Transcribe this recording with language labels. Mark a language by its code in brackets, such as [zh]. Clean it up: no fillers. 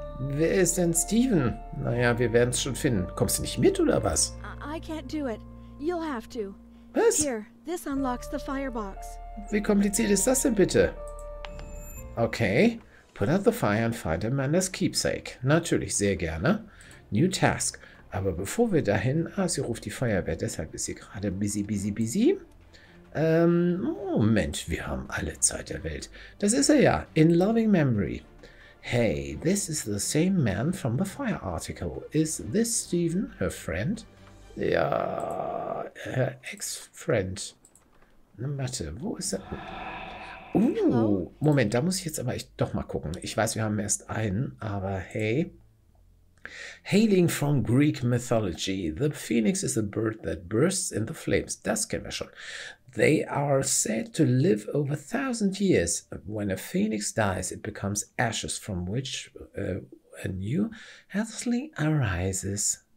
[de] Wer ist denn Steven? Naja, wir werden es schon finden. Kommst du nicht mit, oder was? [en] I can't do it. You'll have to. [de] Was? [en] Here, this unlocks the firebox. [de] Wie kompliziert ist das denn bitte? Okay. [en] Put out the fire and find Amanda's keepsake. [de] Natürlich, sehr gerne. [en] New task. [de] Aber bevor wir dahin. Ah, sie ruft die Feuerwehr, deshalb ist sie gerade busy, busy, busy. Moment, wir haben alle Zeit der Welt. Das ist er ja. [en] In loving memory. Hey, this is the same man from the fire article. Is this Steven, her friend? [de] Ja, [en] her ex-friend. [de] Na, warte, wo ist er? [en] Hello? [de] Moment, da muss ich jetzt aber echt doch mal gucken. Ich weiß, wir haben erst einen, aber hey. [en] Hailing from Greek mythology, the phoenix is a bird that bursts in the flames. [de] Das kennen wir schon. [en] They are said to live over 1,000 years. When a phoenix dies, it becomes ashes from which a new hatchling arises.